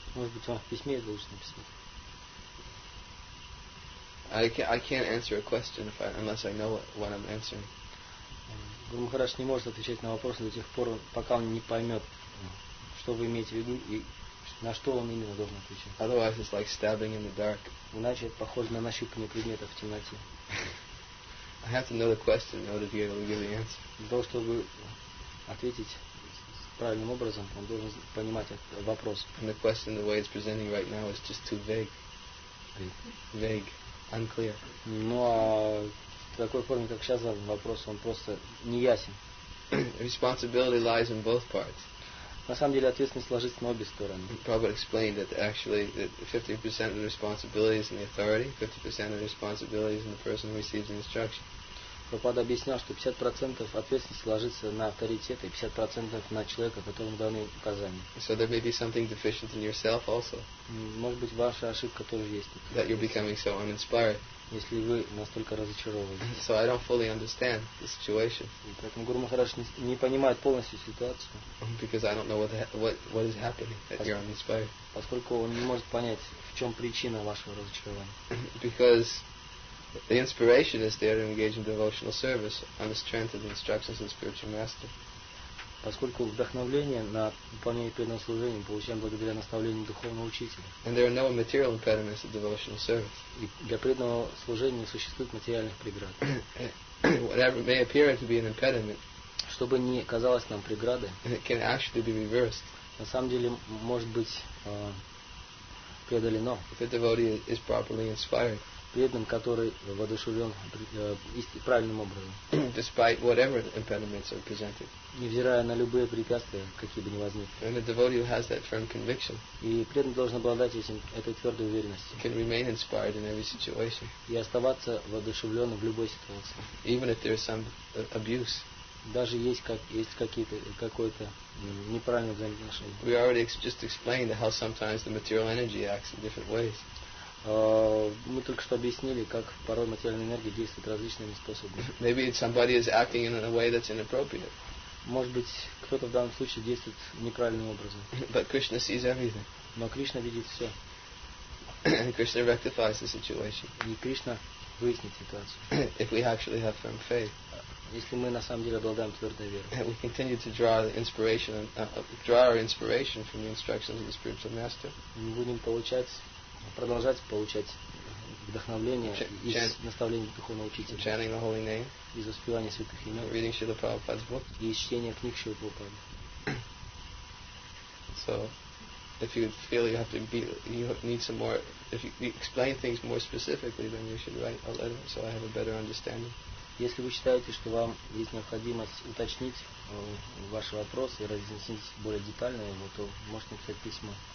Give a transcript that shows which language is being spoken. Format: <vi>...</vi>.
<ru>Может быть, вам в письме я должен написать.</ru> <en>I can't answer a question unless I know what I'm answering.</en> <ru>Гурмахарадж не может отвечать на вопрос до тех пор, пока он не поймет, что вы имеете в виду и на что он именно должен отвечать.</ru> <en>Otherwise, it's like stabbing in the dark.</en> <ru>Иначе это похоже на нащупывание предмета в темноте.</ru> <en>I have to know the question in order to be able to give the answer.</en> <ru>Для того, чтобы ответить правильным образом, он должен понимать этот вопрос.</ru> <en>And the question, the way it's presenting right now, is just too vague. Vague. Unclear.</en> <ru>Ну а в такой форме, как сейчас задан вопрос, он просто не ясен.</ru> <en>Responsibility lies in both parts.</en> <ru>На самом деле ответственность ложится на обе стороны.</ru> <en>Prabhupada explained that actually 50% of the responsibility is in the authority, 50% of the responsibility is in the person who receives the instruction.</en> <ru>Прабхупада объяснял, что 50% ответственности ложится на авторитет и 50% на человека, которому даны указания.</ru> <en>So there may be something deficient in yourself also.</en> <ru>Может быть, ваша ошибка тоже есть.</ru> <en>That you're becoming so uninspired.</en> <ru>Если вы настолько разочарованы.</ru> <en>So I don't fully understand the situation.</en> <ru>Поэтому Гуру Махарадж не понимает полностью ситуацию.</ru> <en>Because I don't know what is happening, that you're uninspired.</en> <ru>Поскольку он не может понять, в чем причина вашего разочарования.</ru> <en>Because the inspiration is there to engage in devotional service on the strength of the instructions of the spiritual master.</en> <ru>Поскольку вдохновление на выполнение преданного служения получаем благодаря наставлению духовного учителя.</ru> <en>And there are no material impediments to devotional service.</en> <ru>И для преданного служения не существует материальных преград.</ru> <en>Whatever may appear to be an impediment,</en> <ru>чтобы не казалось нам преградой,</ru> <en>can actually be reversed.</en> <ru>На самом деле может быть преодолено.</ru> <en>If a devotee is properly inspired.</en> <ru>Преданным, который воодушевлен правильным образом.</ru> <en>Despite whatever impediments are presented.</en> <ru>Невзирая на любые препятствия, какие бы ни возникли.</ru> <en>And a devotee has that firm conviction.</en> <ru>И преданный должен обладать этой твердой уверенностью.</ru> <en>Can remain inspired in every situation.</en> <ru>И оставаться воодушевленным в любой ситуации.</ru> <en>Even if there is some abuse.</en> <ru>Даже есть какое-то неправильное взаимоотношение.</ru> <en>We already just explained how sometimes the material energy acts in different ways.</en> <ru>Мы только что объяснили, как порой материальная энергия действует различными способами.</ru> <en>Maybe somebody is acting in a way that's inappropriate.</en> <ru>Может быть, кто-то в данном случае действует неправильным образом.</ru> <en>But Krishna sees everything.</en> <ru>Но Кришна видит все.</ru> <en>And Krishna rectifies the situation.</en> <ru>И Кришна выяснит ситуацию.</ru> <en>If we actually have firm faith.</en> <ru>Если мы на самом деле обладаем твердой верой.</ru> <en>We continue to draw our inspiration from the instructions of the spiritual master.</en> <ru>Мы будем продолжать получать вдохновление из наставления духовного учителя.</ru> <en>Chanting the holy name.</en> <ru>Из воспевания святых имен.</ru> <en>Reading Śrīla Prabhupāda's book.</en> <ru>И из чтения книг Śrīla Prabhupāda.</ru> <en>So, if you feel you have to be, you need some more, if you explain things more specifically, then you should write a letter so I have a better understanding.</en> <ru>Если вы считаете, что вам есть необходимость уточнить ваш вопрос и разъяснить более детально его, то можете написать письмо.</ru>